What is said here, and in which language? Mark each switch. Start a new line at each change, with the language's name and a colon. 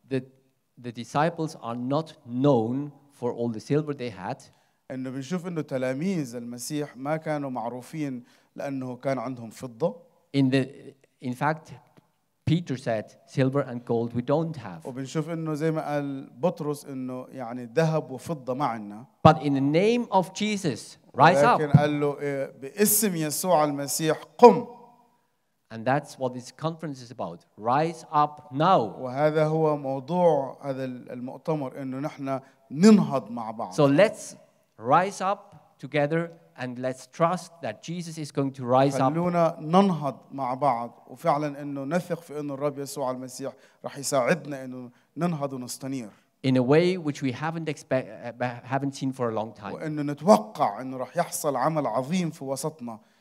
English: The disciples are not known for all the silver they had.
Arabic: إنه بنشوف إنه تلاميذ المسيح ما كانوا معروفين لأنه كان عندهم فضة.
English: In fact, Peter said, "Silver and gold we don't have."
Arabic: وبنشوف إنه زي ما قال بطرس إنه يعني ذهب وفضة ما عندنا.
English: But in the name of Jesus, rise up.
Arabic: لكن قال له باسم يسوع المسيح قم.
English: And that's what this conference is about. Rise up now.
Arabic: وهذا هو موضوع هذا المؤتمر إنه نحنا ننهض مع بعض.
English: So let's rise up together and let's trust that Jesus is going to rise up.
Arabic: خلونا ننهض مع بعض وفعلا إنه نثق في إنه الرب يسوع المسيح راح يساعدنا إنه ننهض ونستنير.
English: In a way which we haven't seen for a long time.
Arabic: وإنه نتوقع إنه راح يحصل عمل عظيم في وسطنا.